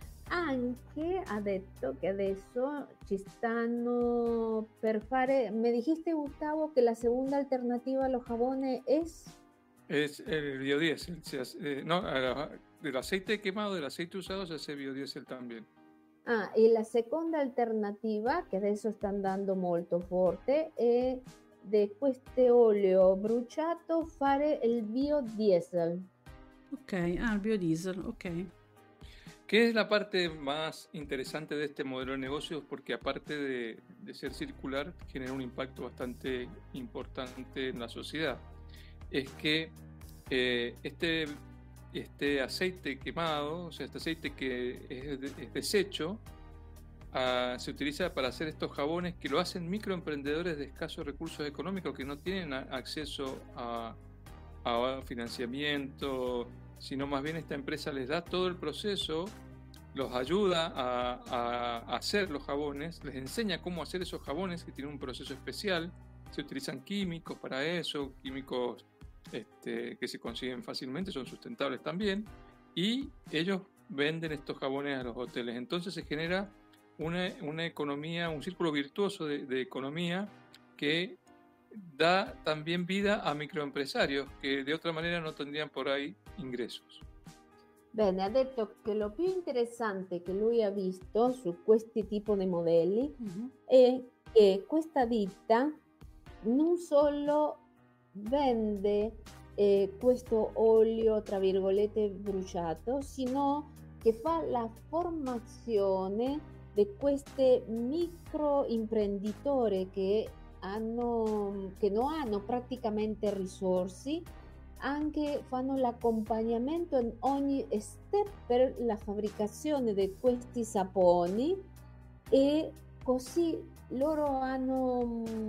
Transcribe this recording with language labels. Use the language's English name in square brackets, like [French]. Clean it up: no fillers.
[Italian] Anche ha detto che adesso ci stanno per fare, [Spanish] mi dijiste [Italian] Gustavo che la seconda alternativa allo jabone [Spanish] es el biodiesel, no, del aceite quemado, del aceite usado se hace biodiesel también. [Italian] Ah, e la seconda alternativa che adesso sta andando molto forte è di questo olio bruciato fare il biodiesel. Ok, ah, il biodiesel, ok. Che è la parte più interessante di questo modello di negozio? Perché a parte di essere circolare, genera un impatto abbastanza importante nella società. È che questo... [Spanish] Este aceite quemado, o sea, este aceite que es desecho, se utiliza para hacer estos jabones que lo hacen microemprendedores de escasos recursos económicos que no tienen acceso a financiamiento, sino más bien esta empresa les da todo el proceso, los ayuda a hacer los jabones, les enseña cómo hacer esos jabones que tienen un proceso especial, se utilizan químicos para eso, químicos... que se consiguen fácilmente, son sustentables también, y ellos venden estos jabones a los hoteles. Entonces se genera una economía, un círculo virtuoso de economía que da también vida a microempresarios que de otra manera no tendrían por ahí ingresos. [Italian] Bene, ha detto che lo più interessante che lui ha visto su questi tipi di modelli è che questa ditta non solo vende questo olio tra virgolette bruciato, sino che fa la formazione di queste micro imprenditori che non hanno praticamente risorse, anche fanno l'accompagnamento in ogni step per la fabbricazione di questi saponi e così loro hanno